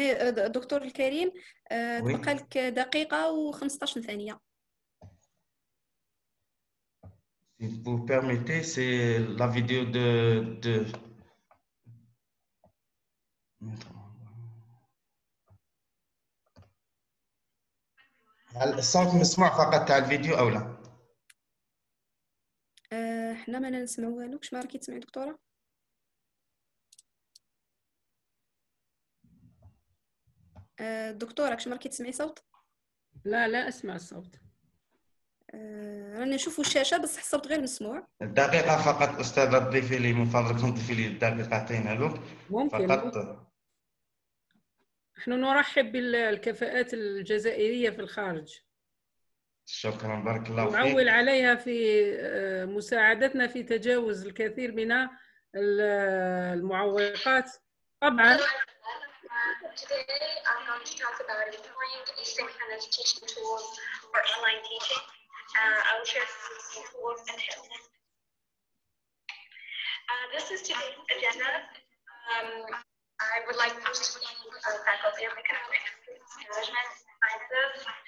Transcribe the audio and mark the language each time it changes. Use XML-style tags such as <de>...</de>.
<ar>دكتور الكريم تبقى لك دقيقة و 15 ثانية.</ar> <fr>Si vous permettez, c'est la vidéo de.</fr> <ar>الصوت مسموع فقط تاع الفيديو أو لا؟ احنا ما نسمعو والو، واش ما راكي تسمعي دكتورة؟ دكتورة كش ماركي تسمعي صوت؟ لا لا أسمع الصوت. راني نشوف الشاشة بس الصوت غير مسموع. دقيقة فقط أستاذ، ضيفي لي من فضلك ضيفي لي دقيقتين ألو. ممكن. نحن نرحب بالكفاءات الجزائرية في الخارج. شكرا بارك الله فيك. نعول عليها في مساعدتنا في تجاوز الكثير من المعوقات. طبعا.</ar> <en>Today I'm going to talk about employing asynchronous teaching tools for online teaching. I'll share some tools and tips. This is today's agenda. I would like to thank faculty of economics, management, sciences.</en>